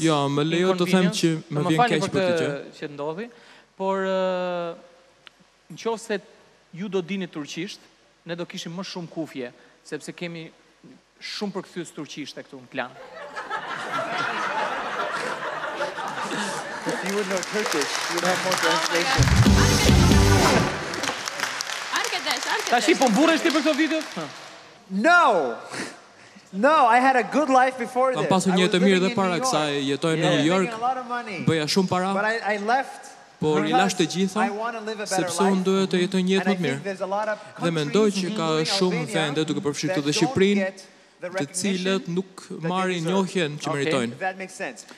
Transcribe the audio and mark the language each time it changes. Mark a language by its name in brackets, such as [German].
[Albanian] Jo, më lejo të them që më vjen keq për këtë gjë që ndodhi, por nëse ju do dini turqisht, ne do kishim më shumë kufje, sepse kemi shumë përkthyes turqishte këtu në plan. [English] If you would know Turkish, you would have more translation. [Albanian] Tashi po mburresh ti për këto video? [English] No. No, I had a good life before this. [Albanian] Kam pasur një jetë mirë edhe para kësaj, jetoj në New York. Bëja shumë para. [English] But I left. [Albanian] Por i lash të gjitha, sepse unë duhet të jetoj një jetë më mirë. Dhe mendoj që ka shumë vende, duke përfshirë këtu dhe Shqipërinë, të cilët nuk marrin njohjen që meritojnë.